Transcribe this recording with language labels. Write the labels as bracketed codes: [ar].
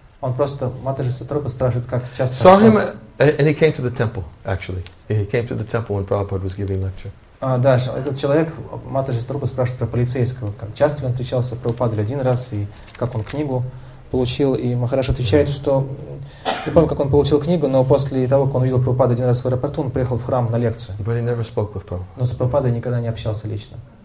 [ru] Он просто Матаджи Сатрупа спрашивает, как часто. [en] Saw him, and he came to the temple. Actually, he came to the temple when Prabhupada was giving lecture. [ru] Да, этот человек Матаджи Сатрупа спрашивает про полицейского, как часто он встречался с Прабхупадой один раз и как он книгу получил, и Махараш отвечает, что не помню, как он получил книгу, но после того, как он увидел Прабхупаду один раз в аэропорту, он приехал в храм на лекцию. [en] But he never spoke with Prabhupada. [ru] Но с Прабхупадой никогда не общался лично.